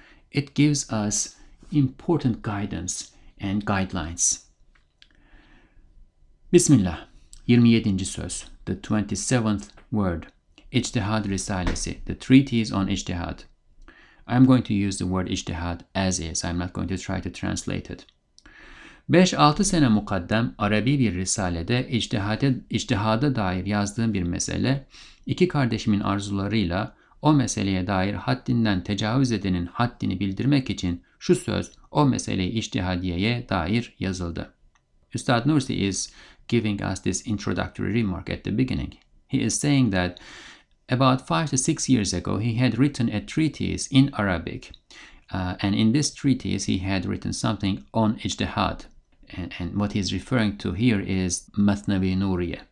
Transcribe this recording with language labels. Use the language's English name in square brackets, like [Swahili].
[English] It gives us important guidance and guidelines. Bismillah, 27th söz, the 27th word, Ijtihad Risalesi, the treatise on Ijtihad. I'm going to use the word Ijtihad as is, I'm not going to try to translate it. [Turkish] 5-6 sene mukaddem Arabi bir risalede içtihada dair yazdığım bir mesele, iki kardeşimin arzularıyla o meseleye dair haddinden tecavüz edenin haddini bildirmek için şu söz o meseleyi içtihadiyeye dair yazıldı. [English] Üstad Nursi is giving us this introductory remark at the beginning. He is saying that about 5 to 6 years ago he had written a treatise in Arabic. And in this treatise, he had written something on Ijtihad. And what he's referring to here is Mathnavi Nuriye.